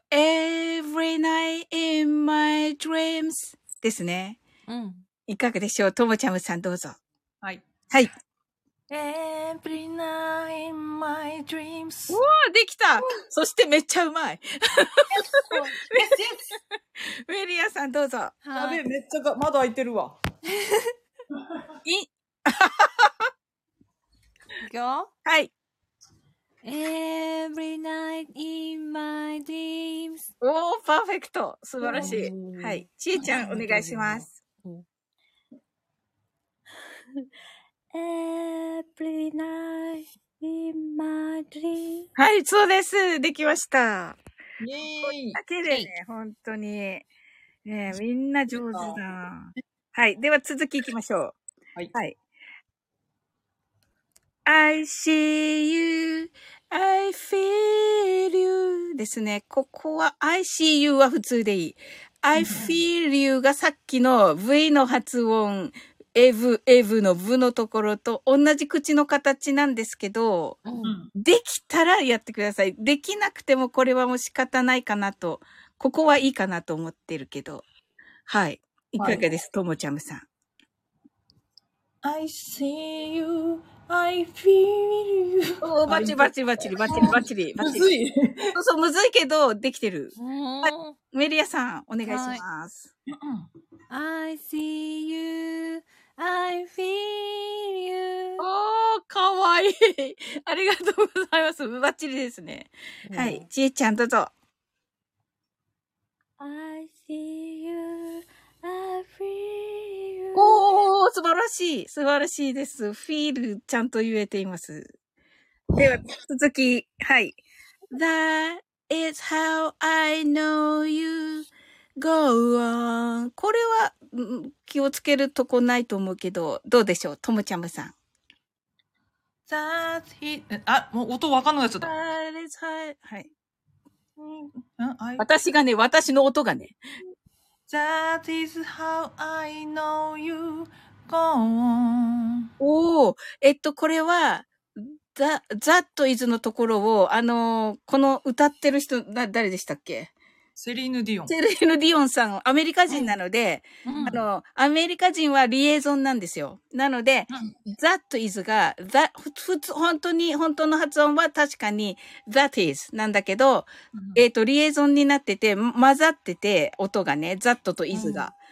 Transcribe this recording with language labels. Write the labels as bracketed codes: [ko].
[en] Every night in my dreams [ja] ですね。うん。いかがでしょう、ともちゃむさん、どうぞ。はい。はい。 [en] Every night in my dreams. [ja] うわー、できた、うん、そしてめっちゃうまい。ウェリアさん、どうぞ。やべえ、めっちゃ窓開いてるわ。いくよ。はい。 [en] Every night in my dreams. [ja] おー、パーフェクト。素晴らしい。はい。ちーちゃん、お願いします。 [en] Every night in my dreams. [ja] はい、そうです。できました。イェーイ。だけでね、本当に。ねえ、みんな上手だ。はい。では、続きいきましょう。はい。はい。 [en] I see you, I feel you [ja] ですね。ここは [en] I see you [ja] は普通でいい。 [en] I feel you [ja] がさっきの V の発音、ev, ev の V のところと同じ口の形なんですけど、うん、できたらやってください。できなくてもこれはもう仕方ないかなと、ここはいいかなと思ってるけど。はい。いかがです、ともちゃむさん。 [en] I see you. I feel you. [ja] バチバチバチリバチリバチリ。むずい。そうそう、むずいけど、できてる。はい、メリアさん、お願いします。 [en] はい、I see you, I feel you. [ja] おー、かわいい。ありがとうございます。バッチリですね。はい、ちえちゃん、どうぞ。 [en] I see you, I feel you. おー、 [ja] 素晴らしい、素晴らしいです。フィールちゃんと言えています。では、続き、はい。 [en] That is how I know you go on. [ja] これは、気をつけるとこないと思うけど、どうでしょう、トムチャムさん。 [en] That's he, [ja] あ、もう音わかんないやつだ。 [en] That is how, はい。 [ja] 私がね、私の音がね。 [en] That is how I know you go on. [ja] おお、これは、 [en] that is [ja] のところを、この歌ってる人、誰でしたっけ？セリーヌ・ディオン。セリーヌ・ディオンさん、アメリカ人なので、うん、アメリカ人はリエゾンなんですよ。なので、うん、 [en] that is [ja] が、本当の発音は確かに that is なんだけど、うん、リエゾンになってて、混ざってて、音がね、that と is が。